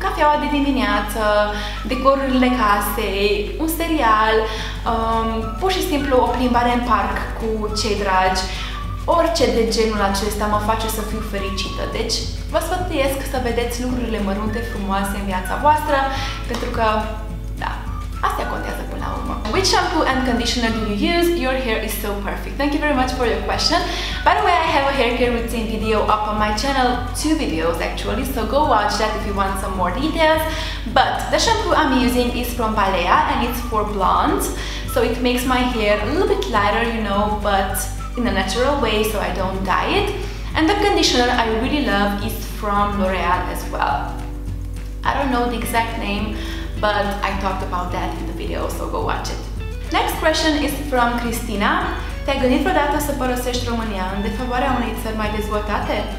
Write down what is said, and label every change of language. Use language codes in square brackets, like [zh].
[ro] Cafeaua de dimineață, decorurile casei, un serial, pur și simplu o plimbare în parc cu cei dragi. Orice de genul acesta mă face să fiu fericită. Deci vă sfătuiesc să vedeți lucrurile mărunte frumoase în viața voastră, pentru că, da, astea contează până la urmă. [en] Which shampoo and conditioner do you use? Your hair is so perfect. Thank you very much for your question. By the way, I have a hair care routine video up on my channel, 2 videos actually, so go watch that if you want some more details. But the shampoo I'm using is from Balea and it's for blondes, so it makes my hair a little bit lighter, you know, but in a natural way so I don't dye it. And the conditioner I really love is from L'Oreal as well. I don't know the exact name, but I talked about that in the video, so go watch it. Next question is from Cristina. [ro] Te-ai gândit vreodată să părăsești România în defavoarea unei țări mai dezvoltate?